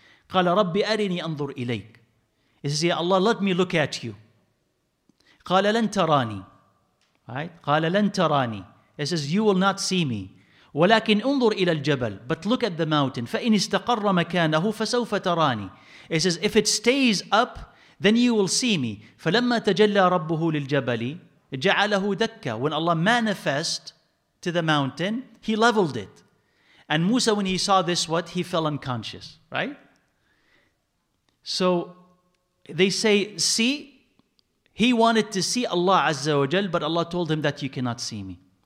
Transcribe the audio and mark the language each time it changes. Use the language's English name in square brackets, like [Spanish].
[Arabic] Qala Rabbi arini anzur ilayk. [English] He says, Ya Allah, let me look at you. [Arabic] Qala lan tarani. [English] Right? [Arabic] Qala lan tarani. [English] He says, you will not see me. [Arabic] ولكن انظر إلى الجبل. [English] But look at the mountain. [Arabic] فإن استقر مكانه فسوف تراني. [English] He says, if it stays up, then you will see me. [Arabic] فلما تجلى ربه للجبل جعله دكا. [English] When Allah manifest to the mountain, He leveled it. And Musa, when he saw this, what? He fell unconscious, right? So they say, see, he wanted to see Allah Azza wa Jal, but Allah told him that you cannot see me.